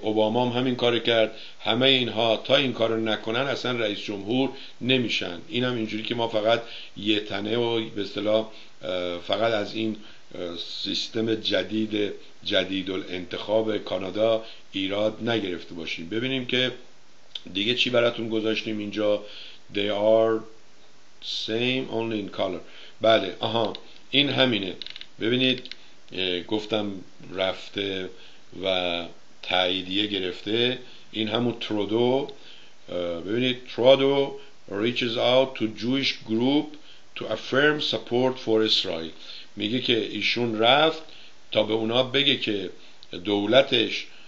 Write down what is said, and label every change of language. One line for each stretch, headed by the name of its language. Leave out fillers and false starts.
Persian: اوباما هم همین کار کرد. همه اینها تا این کار رو نکنن اصلا رئیس جمهور نمیشن. این هم اینجوری که ما فقط یه تنه و به اصطلاح فقط از این سیستم جدید الانتخاب کانادا ایراد نگرفته باشیم. ببینیم که دیگه چی براتون گذاشتیم اینجا.
English: They are same only in color.
Persian: بله آها این همینه. ببینید گفتم رفته و تاییدیه گرفته، این همون ترودو. ببینید ترودو
English: reaches out to Jewish group to affirm support for Israel،
Persian: میگه که ایشون رفت تا به اونا بگه که دولتش